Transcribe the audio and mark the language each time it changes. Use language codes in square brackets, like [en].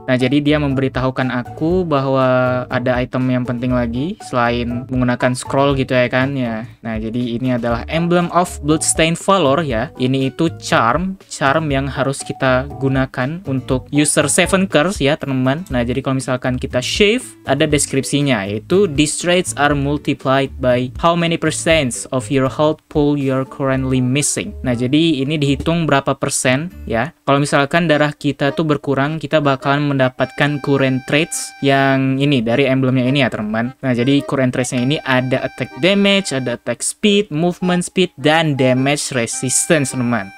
[id] Nah, jadi dia memberitahukan aku bahwa ada item yang penting lagi selain menggunakan scroll gitu ya kan ya. Nah, jadi ini adalah Emblem of Bloodstained Valor ya. Ini itu charm yang harus kita gunakan untuk user 7 curse ya, teman-teman. Nah, jadi kalau misalkan kita shave, ada deskripsinya, yaitu [en] these traits are multiplied by how many percents of your health pool you're currently missing. [id] Nah, jadi ini dihitung berapa persen ya. Kalau misalkan darah kita tuh berkurang, kita bakalan mendapatkan current traits yang ini dari emblemnya ini ya, teman. Nah, jadi current traitsnya ini ada attack damage, ada attack speed, movement speed, dan damage resistance, teman.